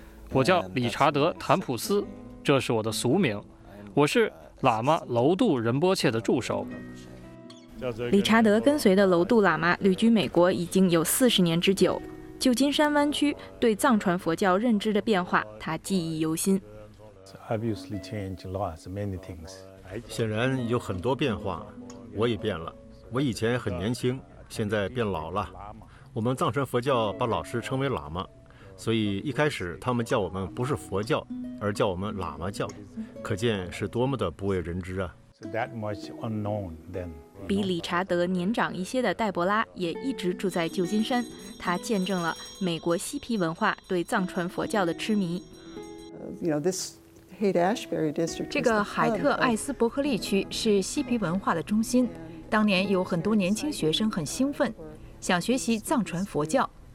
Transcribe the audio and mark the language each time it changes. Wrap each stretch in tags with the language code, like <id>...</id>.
<zh>我叫理查德·坦普斯，这是我的俗名。我是喇嘛楼杜仁波切的助手。理查德跟随的楼杜喇嘛旅居美国已经有40年之久。旧金山湾区对藏传佛教认知的变化，他记忆犹新。</zh> <en>Obviously, change lots, many things.</en> <zh>显然有很多变化，我也变了。我以前很年轻，现在变老了。我们藏传佛教把老师称为喇嘛，所以一开始他们叫我们不是佛教，而叫我们喇嘛教，可见是多么的不为人知啊。</zh> <en>So that much unknown then.</en> <zh>比理查德年长一些的戴博拉也一直住在旧金山，他见证了美国嬉皮文化对藏传佛教的痴迷。这个海特艾斯伯克利区是嬉皮文化的中心，当年有很多年轻学生很兴奋，想学习藏传佛教。</zh>